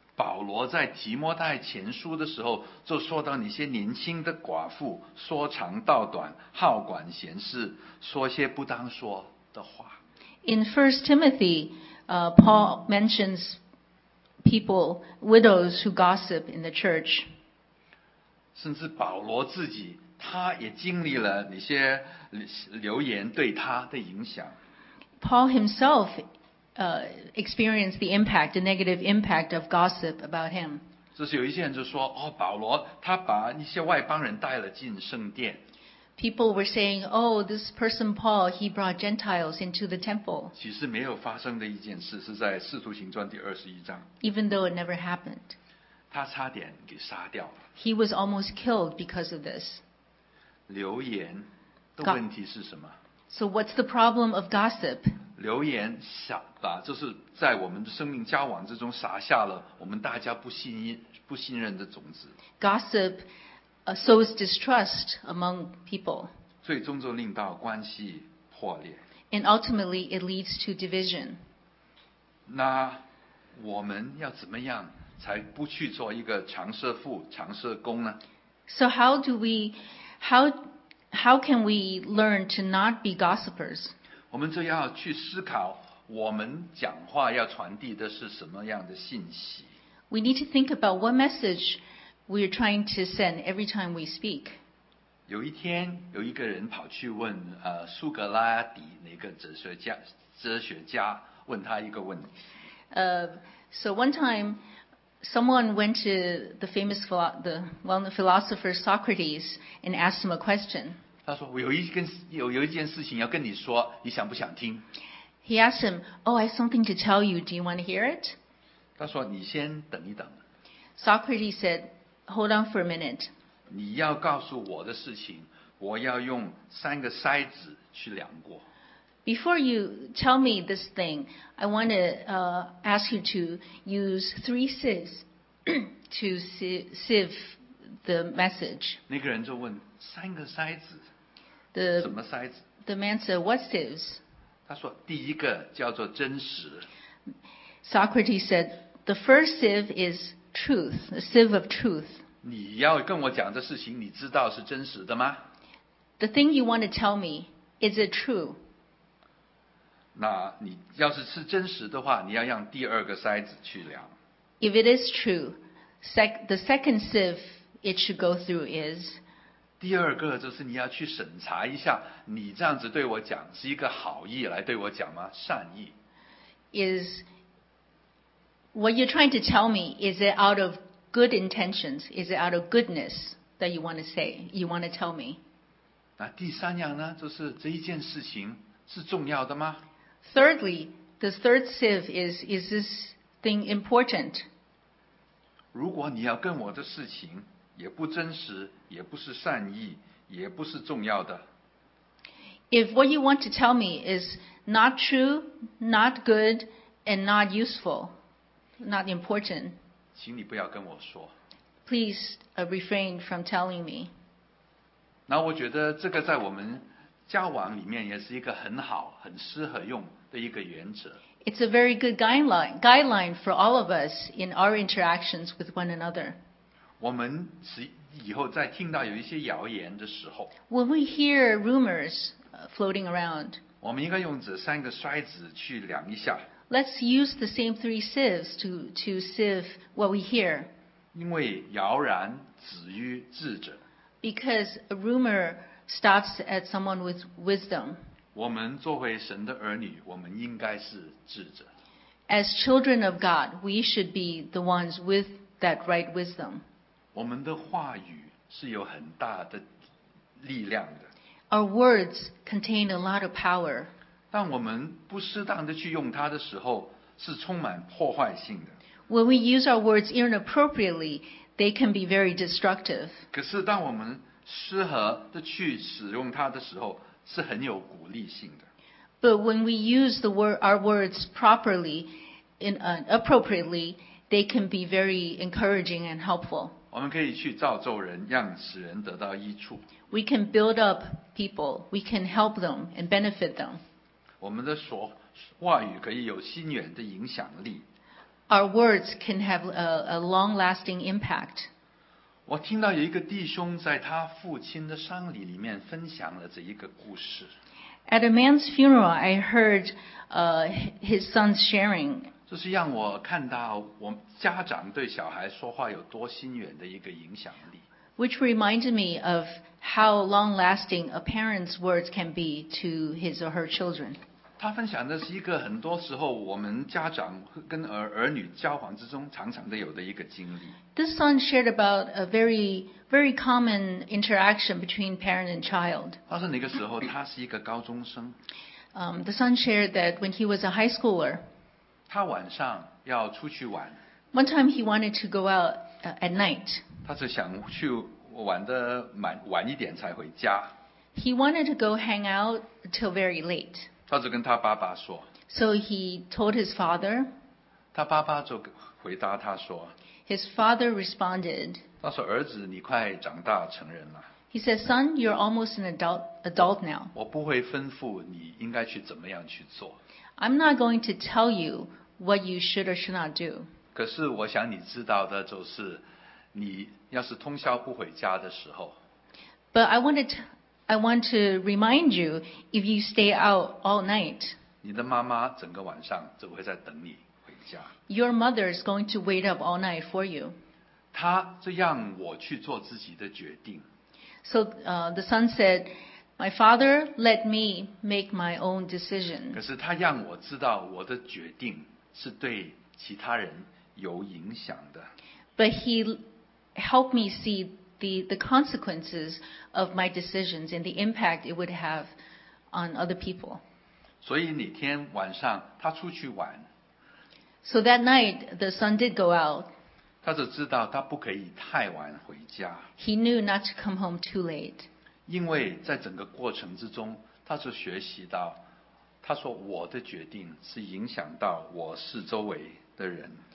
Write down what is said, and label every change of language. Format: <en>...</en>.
<zh>保罗在提摩太前书的时候就说到那些年轻的寡妇说长道短，好管闲事，说些不当说的话。</zh> <en>In 1 Timothy, Paul mentions. People, widows who gossip in the church.</en> <zh>甚至保罗自己，他也经历了那些流言对他的影响。</zh> <en>Paul himself experienced the impact, the negative impact of gossip about him.</en> <zh>就是有一些人就说，哦，保罗他把一些外邦人带了进圣殿。</zh> <en>People were saying, oh, this person Paul, he brought Gentiles into the temple.</en> <zh>其实没有发生的一件事是在《使徒行传》第21章。</zh> <en>Even though it never happened.</en> <zh>他差点给杀掉了。</zh> <en>He was almost killed because of this.</en> <zh>流言的问题是什么？</zh> <en>So what's the problem of gossip?</en> <zh>流言就是在我们的生命交往之中撒下了我们大家不信任的种子。</zh> <en>Gossip. So is distrust among people.</en> <zh>最终就令到关系破裂。</zh> <en>And ultimately, it leads to division.</en> <zh>那我们要怎么样才不去做一个长舌妇、长舌公呢？</zh> <en>So how do we, how, How can we learn to not be gossipers?</en> <zh>我们就要去思考我们讲话要传递的是什么样的信息。</zh> <en>We need to think about what message we are trying to send every time we speak.</en> <zh>有一天有一个人跑去问苏格拉底那个哲学家问他一个问题。</zh> <en>So one time, someone went to the famous philosopher Socrates and asked him a question.</en> <zh>他说我有一件事情要跟你说，你想不想听？</zh> <en>He asked him, "Oh, I have something to tell you. Do you want to hear it?"</en> <zh>他说你先等一等。</zh> <en>Socrates said, "Hold on for a minute."</en> <zh>你要告诉我的事情，我要用三个筛子去量过。</zh> <en>Before you tell me this thing, I want to ask you to use three sieves to sieve the message.</en> <zh>那个人就问三个筛子，什么筛子？</zh> <en>The man said, "What sieves?"</en> <zh>他说，第一个叫做真实。</zh> <en>Socrates said, "The first sieve is truth, the sieve of truth."</en> <zh>你要跟我讲的事情，你知道是真实的吗？</zh> <en>The thing you want to tell me, is it true?</en> <zh>那你要是是真实的话，你要用第二个筛子去量。</zh> <en>If it is true, the second sieve it should go through is.</en> <zh>第二个就是你要去审查一下，你这样子对我讲是一个好意来对我讲吗？善意。</zh> <en>Is what you're trying to tell me, is it out of good intentions? Is it out of goodness that you want to say, you want to tell me?</en> <zh>那第三样呢，就是这一件事情是重要的吗？</zh> <en>Thirdly, the third sieve is this thing important?</en> <zh>如果你要跟我的事情也不真实，也不是善意，也不是重要的。</zh> <en>If what you want to tell me is not true, not good, and not useful, not important,</en> <zh>请你不要跟我说。</zh> <en>Please refrain from telling me.</en> <zh>那我觉得这个在我们交往里面也是一个很好很适合用的一个原则。</zh> <en>It's a very good guideline for all of us in our interactions with one another.</en> <zh>我们以后在听到有一些谣言的时候，</zh> <en>When we hear rumors floating around,</en> <zh>我们应该用这三个筛子去量一下。</zh> <en>Let's use the same three sieves to sieve what we hear.</en> <zh>因为谣然止于智者。</zh> <en>Because a rumorStops at someone with wisdom.</en> <zh>我们作为神的儿女，我们应该是智者。</zh> <en>As children of God, we should be the ones with that right wisdom.</en> <zh>我们的话语是有很大的力量的。</zh> <en>Our words contain a lot of power.</en> <zh>当我们不适当的去用它的时候，是充满破坏性的。</zh> <en>When we use our words inappropriately, they can be very destructive.</en> <zh>可是当我们适合的去使用它的时候，是很有鼓励性的。</zh> <en>But when we use our words properly, appropriately, they can be very encouraging and helpful.</en> <zh>我们可以去造就人，让使人得到益处。</zh> <en>We can build up people. We can help them and benefit them.</en> <zh>我们的话语可以有深远的影响力。</zh> <en>Our words can have a long-lasting impact.</en> <zh>我听到有一个弟兄在他父亲的丧礼里面分享了这一个故事。</zh> <en>At a man's funeral, I heard his son's sharing.</en> <zh>这是让我看到我家长对小孩说话有多深远的一个影响力。</zh> <en>Which reminded me of how long-lasting a parent's words can be to his or her children.</en> <zh>他分享的是一个很多时候我们家长跟儿女交往之中常常的有的一个经历。</zh> <en>This son shared about a very, very common interaction between parent and child.</en> <zh>他说那个时候他是一个高中生。</zh> <en>The son shared that when he was a high schooler,</en> <zh>他晚上要出去玩。</zh> <en>One time he wanted to go out at night.</en> <zh>他是想去玩的晚一点才回家。</zh> <en>He wanted to go hang out till very late.</en> <zh>他就跟他爸爸说。</zh> <en>So he told his father.</en> <zh>他爸爸就回答他说。</zh> <en>His father responded,</en> <zh>他说儿子你快长大成人了。</zh> <en>He said, son, you're almost an adult now.</en> <zh>我不会吩咐你应该去怎么样去做。</zh> <en>I'm not going to tell you what you should or should not do.</en> <zh>可是我想你知道的就是你要是通宵不回家的时候。</zh> <en>But I want to remind you, if you stay out all night,</en> <zh>你的妈妈整个晚上就会在等你回家。</zh> <en>Your mother is going to wait up all night for you.</en> <zh>她这让我去做自己的决定。</zh> <en>So, the son said, my father let me make my own decision.</en> <zh>可是她让我知道我的决定是对其他人有影响的。</zh> <en>But he helped me see the consequences of my decisions and the impact it would have on other people.</en> <zh>所以那天晚上他出去玩。</zh> <en>So that night, the son did go out.</en> <zh>他只知道他不可以太晚回家。</zh> <en>He knew not to come home too late.</en> <zh>因为在整个过程之中，他是学习到，他说我的决定是影响到我四周围的人。</zh>